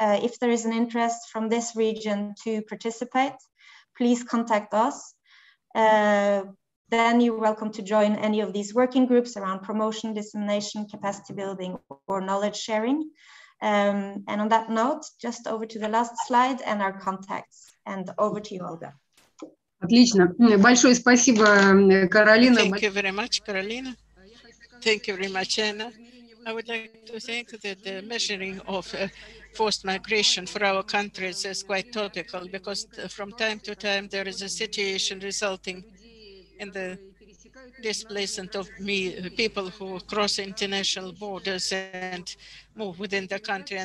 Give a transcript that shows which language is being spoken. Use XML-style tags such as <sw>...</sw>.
<en>If there is an interest from this region to participate, please contact us. Then you're welcome to join any of these working groups around promotion, dissemination, capacity building, or knowledge sharing. And on that note, just over to the last slide and our contacts. And over to you, Olga.</en> <ru>Отлично. Большое спасибо, Каролина.</ru> <en>Thank you very much, Каролина. Thank you very much, Anna. I would like to think that the measuring of forced migration for our countries is quite topical, because from time to time there is a situation resulting in the displacement of people who cross international borders and move within the country.</en>